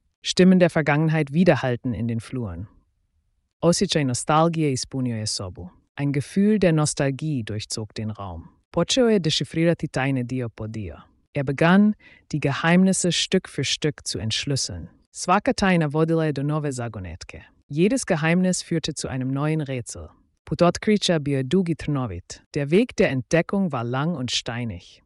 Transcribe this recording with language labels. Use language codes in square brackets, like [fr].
[de] Stimmen der Vergangenheit widerhallten in den Fluren. [hr] Osjećaj nostalgije ispunio je sobu. [de] Ein Gefühl der Nostalgie durchzog den Raum. [hr] Počeo je dešifrirati tajne dio po dio. [de] Er begann, die Geheimnisse Stück für Stück zu entschlüsseln. [hr] Svaka tajna vodila je do nove zagonetke. [de] Jedes Geheimnis führte zu einem neuen Rätsel. [hr] Put otkrića bio je dug i trnovit. [de] Der Weg der Entdeckung war lang und steinig.